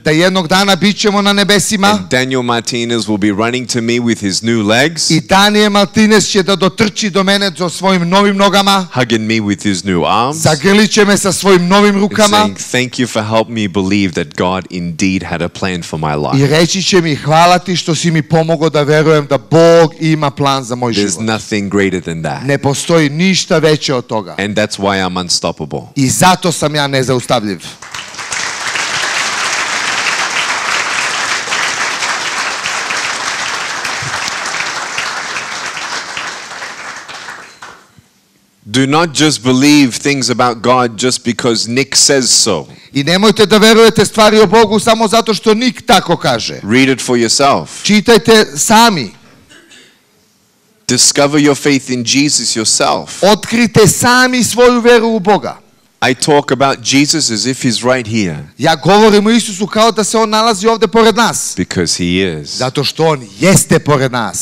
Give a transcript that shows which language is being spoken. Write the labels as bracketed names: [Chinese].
[Serbian] da jednog dana bit ćemo na nebesima, [English] and Daniel Martinez will be running to me with his new legs, [Serbian] i Daniel Martinez će da dotrči do mene sa svojim novim nogama, [English] hugging me with his new arms, [Serbian] zagrlit će me sa svojim novim rukama, [English] saying, thank you for helping me believe that God indeed had a plan for my life. [Serbian] I reći će mi hvala ti što si mi pomogao da verujem da Bog ima plan za moj život. [English] There's nothing greater than that. [Serbian] Ne postoji ništa veće od toga. [English] And that's why I'm unstoppable. [Serbian] I zato sam ja nezaustavljiv. [English] Do not just believe things about God just because Nick says so. [Serbian] I nemojte da verujete stvari o Bogu samo zato što Nick tako kaže. [English] Read it for yourself. [Serbian] Čitajte sami. [English] Discover your faith in Jesus yourself. [Serbian] Otkrite sami svoju veru u Boga. [English] I talk about Jesus as if he's right here. [Serbian] Ja govorim o Isusu kao da se on nalazi ovde pored nas. [English] Because he is. [Serbian] Zato što on jeste pored nas.